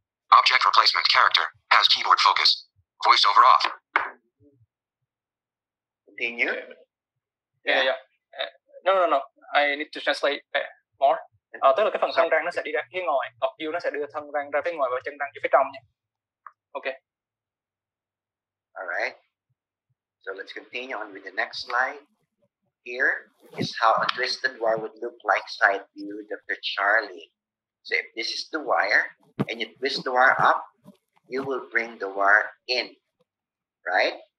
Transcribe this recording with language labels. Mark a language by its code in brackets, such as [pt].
[en] Object replacement character has keyboard focus. Voice over off. Continue. No. I need to translate more. [vi] Tức là cái phần thân răng nó sẽ đi ra phía ngoài. Tọt dương nó sẽ đưa thân răng ra phía ngoài và chân răng phía trong nha. [en] Okay. All right. So let's continue on with the next slide. Here is how a twisted wire would look like side view, Dr. Charlie. So if this is the wire and you twist the wire up, you will bring the wire in, right?